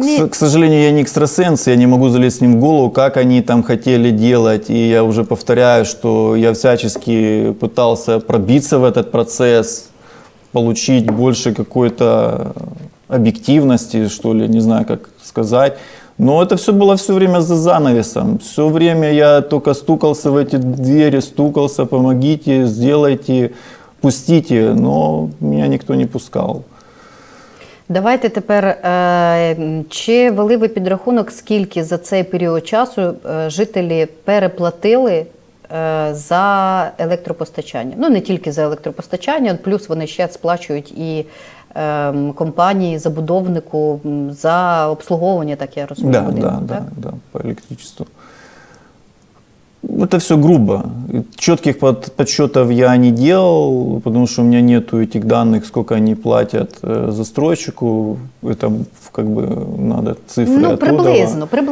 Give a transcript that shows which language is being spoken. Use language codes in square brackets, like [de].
[ru] К сожалению, я не экстрасенс, я не могу залезть ним в голову, как они там хотели делать. И я уже повторяю, что я всячески пытался пробиться в этот процесс, получить больше какой-то объективности, что ли, не знаю, как сказать. Но это все было все время за занавесом. Все время я только стукался в эти двери, стукался, помогите, сделайте, пустите. Но меня никто не пускал. [uk] Давайте тепер, чи вели ви підрахунок, скільки за цей період часу жителі переплатили за електропостачання? Ну, не тільки за електропостачання, плюс вони ще сплачують і компанії, забудовнику за обслуговування, так я розумію. [ru] Да, да, да, да, по електричеству. Это все грубо. Четких подсчетов я не делал, потому что у меня нету этих данных, сколько они платят застройщику. Это как бы надо цифры. [uk] Ну, приблизно.